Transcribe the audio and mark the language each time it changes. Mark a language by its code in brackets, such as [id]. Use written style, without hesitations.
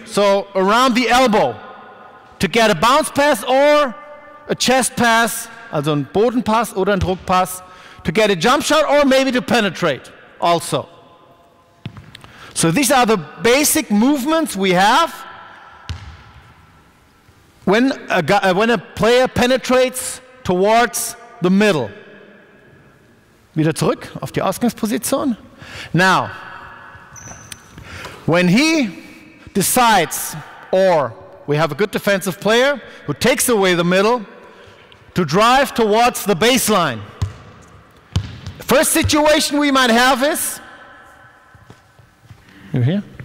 [en] So around the elbow to get a bounce pass or a chest pass, [de] also ein Bodenpass oder ein Druckpass, [en] to get a jump shot or maybe to penetrate also. So these are the basic movements we have when a player penetrates towards the middle. [de] Wieder zurück auf die Ausgangsposition. [en] Now, when he decides, or we have a good defensive player who takes away the middle, to drive towards the baseline. First situation we might have is, you here?